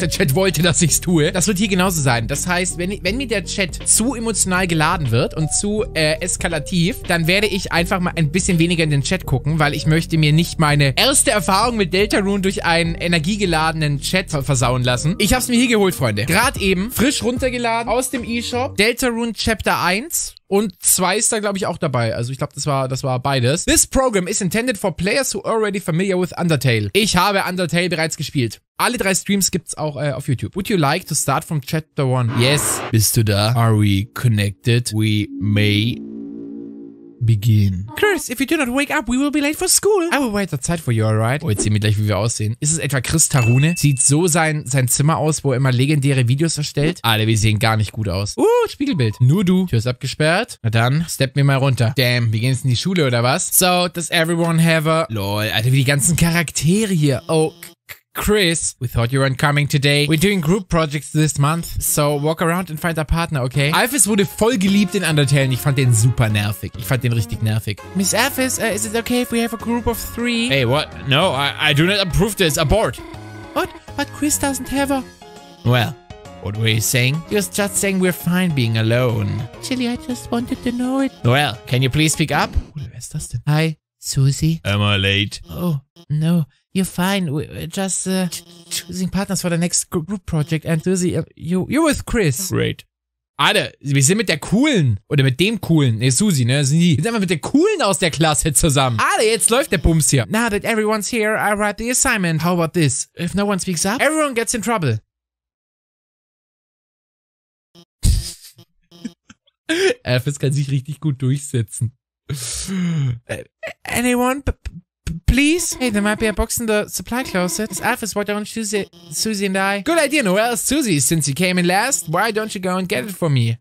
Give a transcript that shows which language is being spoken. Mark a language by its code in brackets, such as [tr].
[de] Der Chat wollte, dass ich es tue. Das wird hier genauso sein. Das heißt, wenn mir der Chat zu emotional geladen wird und zu eskalativ, dann werde ich einfach mal ein bisschen weniger in den Chat gucken, weil ich möchte mir nicht meine erste Erfahrung mit Deltarune durch einen energiegeladenen Chat versauen lassen. Ich habe es mir hier geholt, Freunde. Gerade eben, frisch runtergeladen, aus dem eShop, Deltarune Chapter 1 und 2 ist da, glaube ich, auch dabei. Also ich glaube, das war beides. [en] This program is intended for players who are already familiar with Undertale. [de] Ich habe Undertale bereits gespielt. Alle drei Streams gibt's auch auf YouTube. [en] Would you like to start from Chapter 1? Yes. [de] Bist du da? [en] Are we connected? We may begin. Chris, if you do not wake up, we will be late for school. I will wait the time for you, alright? [de] Oh, jetzt sehen wir gleich, wie wir aussehen. Ist es etwa Chris Tarune? Sieht so sein Zimmer aus, wo er immer legendäre Videos erstellt? Alter, wir sehen gar nicht gut aus. Spiegelbild. Nur du. Tür ist abgesperrt. Na dann, step mir mal runter. Damn, wir gehen jetzt in die Schule, oder was? [en] So, does everyone have a... [de] Lol, Alter, wie die ganzen Charaktere hier. Oh, Chris, [en] we thought you weren't coming today. We're doing group projects this month, so walk around and find a partner, okay? [de] Alphys wurde voll geliebt in Undertale. Ich fand den super nervig. Ich fand den richtig nervig. [en] Miss Alphys, is it okay if we have a group of three? Hey, what? No, I do not approve this. Abort. What? But Chris doesn't have a... Well, what were you saying? He was just saying we're fine being alone. Actually, I just wanted to know it. Well, can you please speak up? [de] Wer ist das denn? Hi, Susie. [en] Am I late? Oh, no. You're fine. We're just choosing partners for the next group project. And Susie, you're with Chris. Great. [de] Alter, wir sind mit der Coolen. Oder mit dem Coolen. Nee, Susi, ne? Sind die. Wir sind einfach mit der Coolen aus der Klasse zusammen. Alter, jetzt läuft der Bums hier. [en] Now that everyone's here, I write the assignment. How about this? If no one speaks up, everyone gets in trouble. [de] Alphys kann sich richtig gut durchsetzen. [en] Anyone? Please? Hey, there might be a box in the supply closet. It's Alphys, why don't Susie and I? Good idea, Noelle. Susie, since you came in last, why don't you go and get it for me?